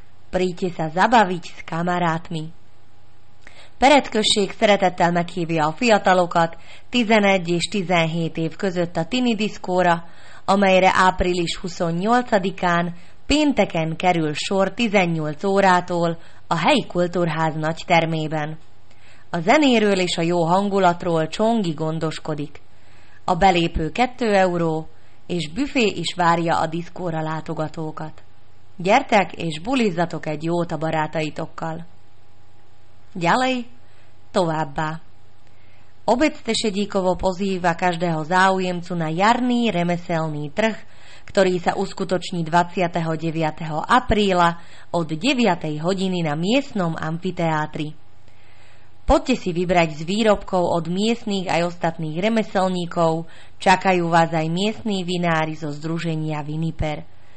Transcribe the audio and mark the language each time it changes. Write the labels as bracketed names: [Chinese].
[Slovak] Príďte sa zabaviť s kamarátmi. [Hungarian] Peretkösség szeretettel meghívja a fiatalokat 11 és 17 év között a Tini Diszkóra, amelyre április 28-án pénteken kerül sor 18 órától a helyi kultúrház nagy termében. A zenéről és a jó hangulatról Csongi gondoskodik. A belépő 2 euró, és büfé is várja a diszkóra látogatókat. Gyertek és bulizzatok egy jót a barátaitokkal! [Slovak] Ďalej, továbbá. Obec Tešedíkovo pozýva každého záujemcu na jarný remeselný trh, ktorý sa uskutoční 29. apríla od 9. hodiny na miestnom amfiteátri. Poďte si vybrať z výrobkov od miestnych aj ostatných remeselníkov, čakajú vás aj miestní vinári zo združenia Viniper.